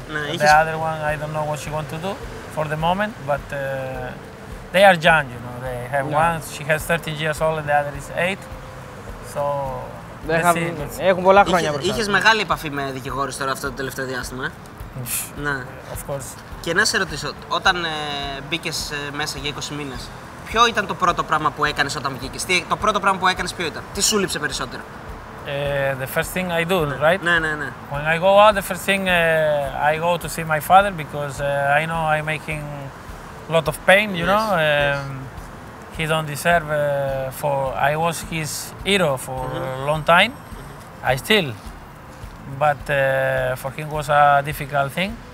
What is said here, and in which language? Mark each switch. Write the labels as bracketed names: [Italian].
[English] The other one, I don't know what she wants to do for the moment, but they are young, you know. They have one, she has 13 years old and the other is 8. So... [Greek] Έχουν πολλά χρόνια μπροστά. Είχες μεγάλη επαφή με δικηγόρους τώρα αυτό το τελευταίο διάστημα, ε? [English] Ναι. Of course. [Greek] Και να σε ρωτήσω, όταν μπήκες μέσα για 20 μήνες, ποιο ήταν το πρώτο πράγμα που έκανες όταν βγήκες? Το πρώτο πράγμα που έκανες ποιο ήταν? Τι σου λείψε περισσότερο? [English] The first thing I do, right? [Greek] Ναι, ναι, ναι. [English] When I go out, the first thing I go to see my father, because I know I'm making a lot of pain, you know? He don't deserve for I was his hero for a long time. I still, but for him was a difficult thing.